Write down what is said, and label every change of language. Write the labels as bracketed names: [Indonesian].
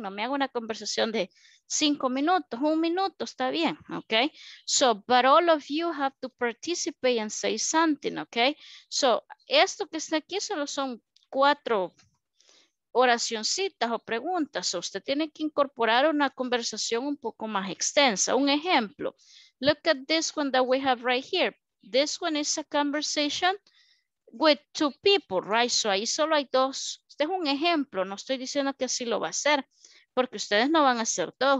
[Spanish] No me hago una conversación de 5 minutos, 1 minuto, está bien, ¿ok? [English] So, but all of you have to participate and say something, ¿ok? [Spanish] So, esto que está aquí solo son 4 oracioncitas o preguntas. Usted tiene que incorporar una conversación un poco más extensa. Un ejemplo. [English] Look at this one that we have right here. This one is a conversation with 2 people, right? [Spanish] So ahí solo hay 2. Este es un ejemplo. No estoy diciendo que así lo va a hacer, porque ustedes no van a ser 2.